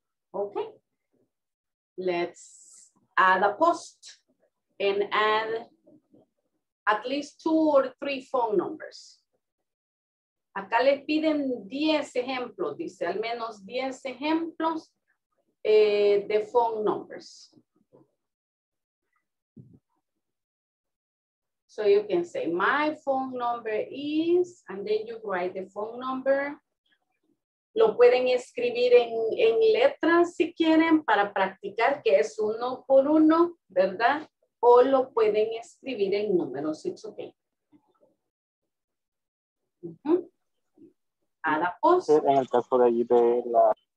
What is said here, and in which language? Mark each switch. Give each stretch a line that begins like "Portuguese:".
English: Okay, let's add a post and add at least 2 or 3 phone numbers.
Spanish: Acá les piden 10 ejemplos, dice, al menos 10 ejemplos de phone numbers.
English: So you can say, my phone number is, and then you write the phone number.
Spanish: Lo pueden escribir en letras si quieren para practicar, que es uno por uno, ¿verdad? O lo pueden escribir en números.
English: It's okay. Uh-huh. Ada post.
Spanish: En el caso de allí de la...